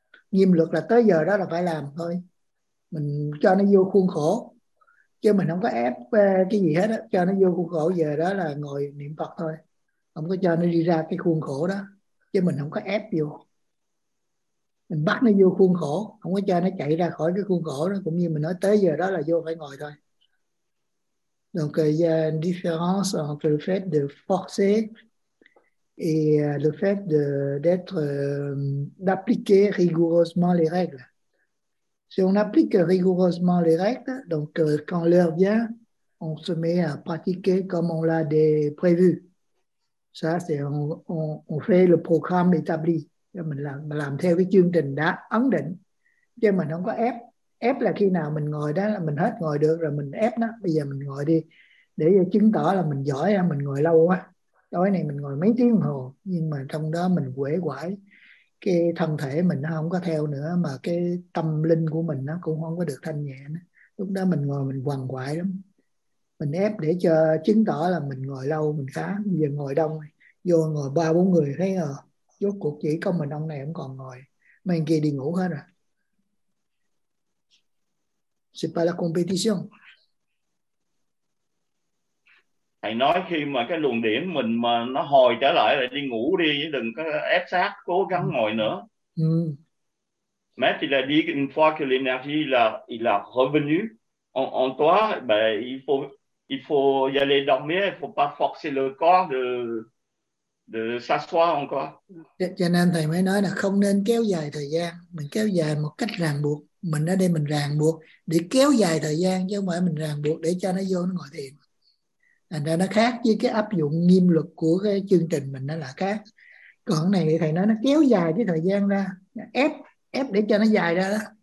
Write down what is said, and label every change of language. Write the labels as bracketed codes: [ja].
[vi] Nghiêm luật là tới giờ đó là phải làm thôi, mình cho nó vô khuôn khổ chứ mình không có ép cái gì hết đó. Cho nó vô khuôn khổ, giờ đó là ngồi niệm Phật thôi, không có cho nó đi ra cái khuôn khổ đó, chứ mình không có ép vô, mình bắt nó vô khuôn khổ, không có cho nó chạy ra khỏi cái khuôn khổ đó. Cũng như mình nói tới giờ đó là vô phải ngồi thôi. [fr] Donc il y a une différence entre le fait de forcer et le fait de, d'être, d'appliquer rigoureusement les règles. Si on applique rigoureusement les règles, donc quand l'heure vient, on se met à pratiquer comme on l'a prévu. Ça, c'est on fait le programme établi. [vi] Mình làm theo cái chương trình đã ấn định. Chứ mình không có ép. Ép là khi nào mình ngồi đó là mình hết ngồi được rồi mình ép nó. Bây giờ mình ngồi đi để chứng tỏ là mình giỏi, mình ngồi lâu quá. Tối nay mình ngồi mấy tiếng hồ, nhưng mà trong đó mình uể oải, cái thân thể mình nó không có theo nữa, mà cái tâm linh của mình nó cũng không có được thanh nhẹ nữa. Lúc đó mình ngồi mình quằn quại lắm. Mình ép để cho chứng tỏ là mình ngồi lâu, mình khá. Bây giờ ngồi đông, vô ngồi 3-4 người thấy à, rốt cuộc chỉ có mình ông này không còn ngồi, mấy anh kia đi ngủ hết rồi. [fr] C'est pas la compétition. [vi] Thầy nói khi mà cái luồng điển mình mà nó hồi trở lại là đi ngủ đi, chứ đừng có ép sát cố gắng ngồi nữa. [fr] Mais il a dit une fois que l'énergie il a revenu en toi, ben il faut y aller dormir, il faut pas forcer le corps de s'asseoir encore. [vi] Cho nên thầy mới nói là không nên kéo dài thời gian, mình kéo dài một cách ràng buộc. Mình ở đây mình ràng buộc để kéo dài thời gian, chứ không phải mình ràng buộc để cho nó vô nó ngồi thiền. Thành ra nó khác với cái áp dụng nghiêm luật của cái chương trình mình, nó là khác. Còn cái này thầy nói nó kéo dài cái thời gian ra, ép để cho nó dài ra đó.